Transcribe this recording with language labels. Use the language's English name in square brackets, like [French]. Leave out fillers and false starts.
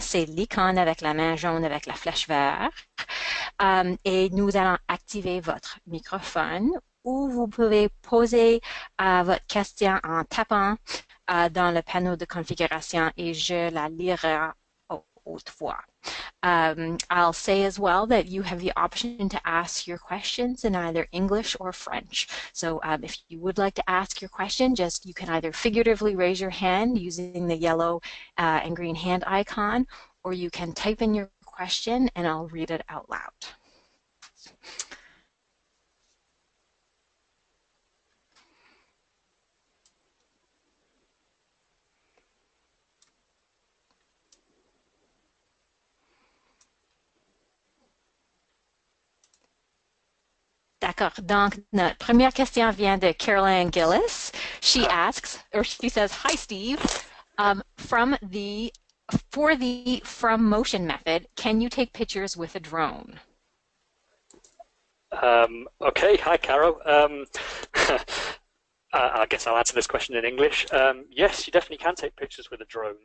[French] C'est l'icône avec la main jaune avec la flèche verte. Et nous allons activer votre microphone ou vous pouvez poser votre question en tapant dans le panneau de configuration et je la lirai haute voix. [English] I'll say as well that you have the option to ask your questions in either English or French. So if you would like to ask your question, just you can either figuratively raise your hand using the yellow and green hand icon, or you can type in your question and I'll read it out loud. [French] D'accord. Donc, notre première question vient de Carolyn Gillis. [English] She says, "Hi, Steve. For the from motion method, can you take pictures with a drone?" Okay. Hi, Carol. I guess I'll answer this question in English. Yes, you definitely can take pictures with a drone.